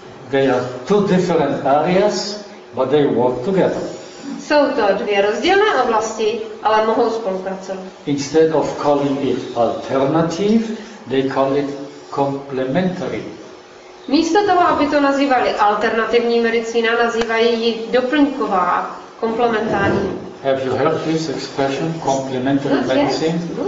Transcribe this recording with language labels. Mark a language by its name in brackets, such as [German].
[English] They are two different areas, but they work together. [Czech] Jsou to dvě rozdílné oblasti, ale mohou spolupracovat. [English] Instead of calling it alternative, they call it complementary. [Czech] Místo toho, aby to nazývali alternativní medicína, nazývají ji doplňková, komplementární. [English] Have you heard this expression, complementary medicine?